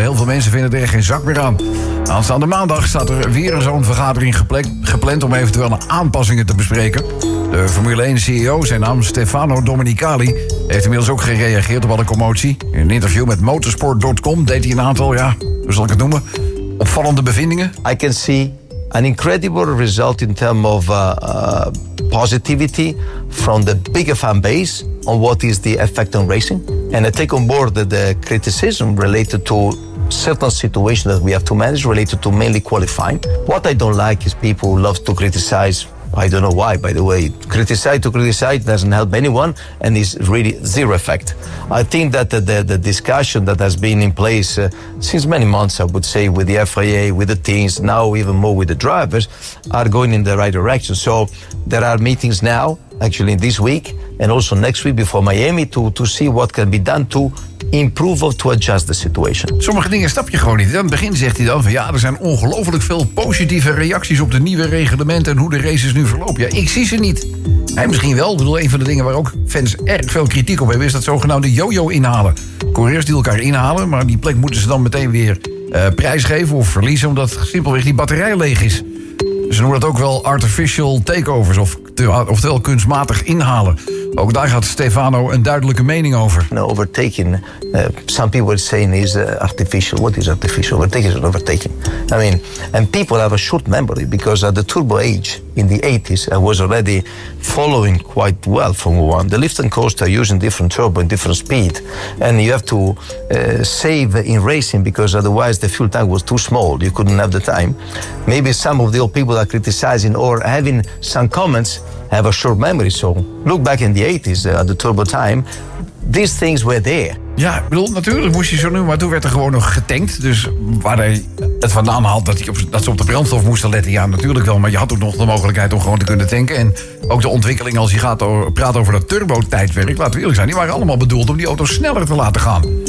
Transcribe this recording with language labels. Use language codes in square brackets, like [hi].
[nl] Heel veel mensen vinden er geen zak meer aan. Aanstaande maandag staat er weer zo'n vergadering gepland om eventueel aanpassingen te bespreken. De Formule 1-CEO, zijn naam Stefano Domenicali, heeft inmiddels ook gereageerd op alle commotie. In een interview met motorsport.com deed hij een aantal, ja, hoe zal ik het noemen, opvallende bevindingen. [en] I can see an incredible result in term of positivity from the bigger fanbase on what is the effect on racing. And I take on board the criticism related to certain situations that we have to manage related to mainly qualifying. What I don't like is people who love to criticize. I don't know why, by the way. Criticize doesn't help anyone and is really zero effect. I think that the discussion that has been in place since many months, I would say, with the FIA, with the teams, now even more with the drivers, are going in the right direction. So there are meetings now, actually this week, and also next week before Miami to see what can be done to improve or to adjust the situation. [nl] Sommige dingen snap je gewoon niet. In het begin zegt hij dan van ja, er zijn ongelooflijk veel positieve reacties op de nieuwe reglementen en hoe de races nu verlopen. Ja, ik zie ze niet. Hij misschien wel. Ik bedoel, een van de dingen waar ook fans erg veel kritiek op hebben is dat zogenaamde yo-yo inhalen. Coureurs die elkaar inhalen, maar die plek moeten ze dan meteen weer prijsgeven of verliezen omdat simpelweg die batterij leeg is. Ze noemen dat ook wel artificial takeovers oftewel kunstmatig inhalen. Ook daar gaat Stefano een duidelijke mening over. [en] Overtaking, some people are saying is artificial. What is artificial? Overtaking is an overtaking. I mean, and people have a short memory because at the turbo age in the 80s, I was already following quite well Formula 1. The lift and coast are using different turbo and different speed. And you have to save in racing because otherwise the fuel tank was too small. You couldn't have the time. Maybe some of the old people are criticizing or having some comments have a short memory. So look back in the 80s at the turbo time. These things were there. [nl] Ja, ik bedoel, natuurlijk moest je zo noemen, maar toen werd er gewoon nog getankt. Dus waar hij het vandaan haalt dat ze op de brandstof moesten letten, ja, natuurlijk wel. Maar je had ook nog de mogelijkheid om gewoon te kunnen tanken. En ook de ontwikkeling als je gaat praten over dat turbo-tijdwerk, laten we eerlijk zijn, die waren allemaal bedoeld om die auto sneller te laten gaan.